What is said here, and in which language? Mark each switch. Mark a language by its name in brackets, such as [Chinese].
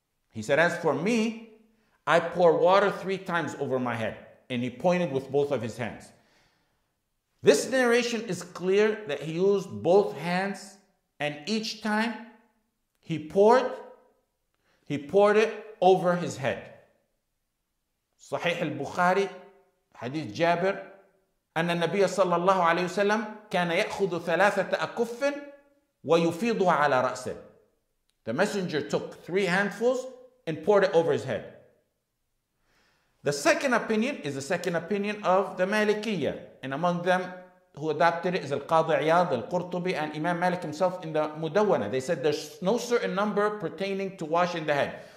[English] He said, as for me, I pour water 3 times over my head. And he pointed with both of his hands. This narration is clear that he used both hands, and each time he poured it over his head. [Arabic] Sahih al-Bukhari, Hadith Jabir, أن النبي صلى الله عليه وسلم كان يأخذ 3 أكف ويفيضها على رأسه. [English] The messenger took 3 handfuls and poured it over his head. The second opinion is the second opinion of the Malikiyya, and among them who adopted it is Al-Qadi Iyad, Al-Qurtubi, and Imam Malik himself in the Mudawwana. They said there's no certain number pertaining to washing the head.